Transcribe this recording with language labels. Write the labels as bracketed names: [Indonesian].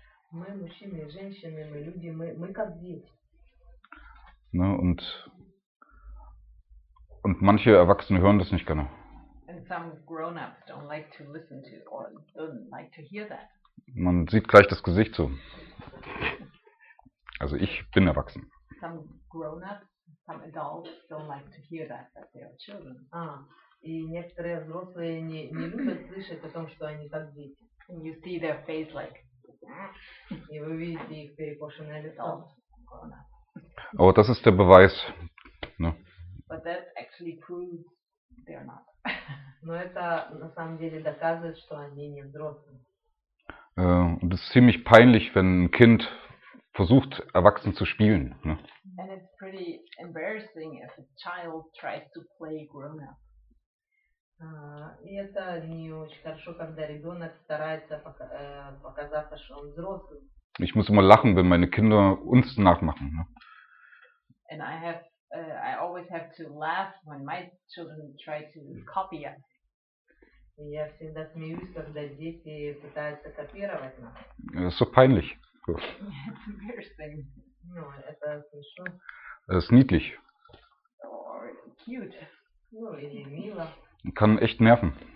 [Russian] Мы мужчины и женщины, мы люди, мы как дети. [German] Ne, und manche Erwachsene hören das nicht gerne. [English] And some grown-ups don't like to listen to or don't like to hear that. [German] Man sieht gleich das Gesicht so. Also ich bin erwachsen. [English] Some grown-ups, some adults don't like to hear that, that they are children. [Russian] И некоторые взрослые не любят слышать о том, что они как дети. [English] And you see their face like. [Russian] И вы видите их перепушенные лицо. [German] Aber das ist der Beweis. Ne? [English] But that actually proves they are not. [Russian] Но это на самом деле доказывает, что они не взрослые. [German] Und es ist ziemlich peinlich, wenn ein Kind versucht, erwachsen zu spielen. Ne? [English] And it's pretty embarrassing if a child tries to play grown up. [Russian] И это не очень хорошо, когда ребенок старается показаться, что он взрослый. [German] Ich muss immer lachen, wenn meine Kinder uns nachmachen. Ne? [English] And I have, I always have to laugh when my children try to copy us. [Russian] Я всегда смеюсь, когда дети пытаются копировать нас. Это [German] so peinlich. [English] It's embarrassing. [Russian] No, это смешно. Это [German] niedlich. [English] Or cute. [Russian] Ну, или мило. [German] Kann echt nerven.